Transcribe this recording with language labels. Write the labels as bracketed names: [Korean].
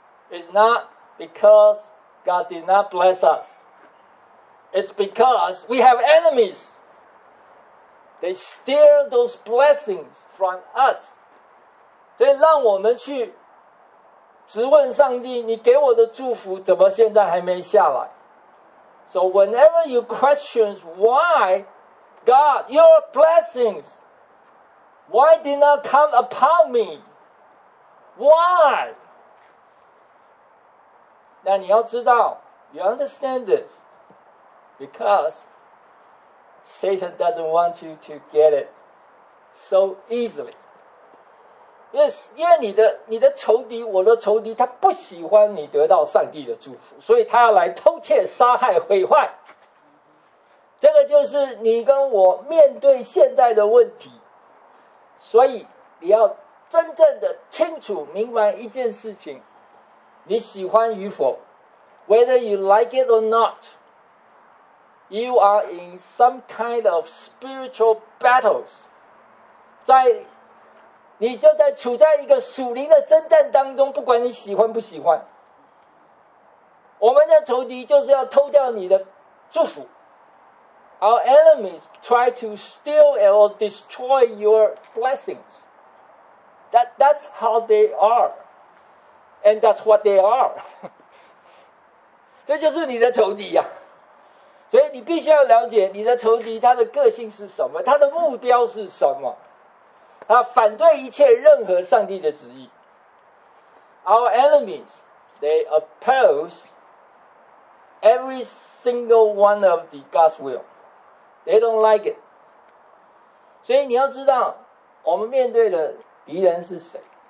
[English] It's not because God did not bless us，It's because we have enemies. They steal those blessings from us. [Chinese] 所以让我们去质问上帝，你给我的祝福怎么现在还没下来？ [English] So whenever you question why God, your blessings, why did not come upon me? Why? [Chinese] 那你要知道， [English] you understand this. Because Satan doesn't want you to get it so easily. [Chinese] 因为你的仇敌，我的仇敌，他不喜欢你得到上帝的祝福，所以他要来偷窃、杀害、毁坏。这个就是你跟我面对现在的问题。所以你要真正的清楚明白一件事情，你喜欢与否， [English] whether you like it or not,You are in some kind of spiritual battles. [Chinese] 你就在处在一个属灵的征战当中，不管你喜欢不喜欢。我们的仇敌就是要偷掉你的祝福。 [English] Our enemies try to steal or destroy your blessings. That's how they are. And that's what they are. [Chinese] 这就是你的仇敌啊。所以你必须要了解你的仇敌他的个性是什么, 他的目标是什么。他反对一切任何上帝的旨意。 [English] Our enemies, they oppose every single one of the God's will. They don't like it. [Chinese] 所以你要知道我们面对的敌人是谁。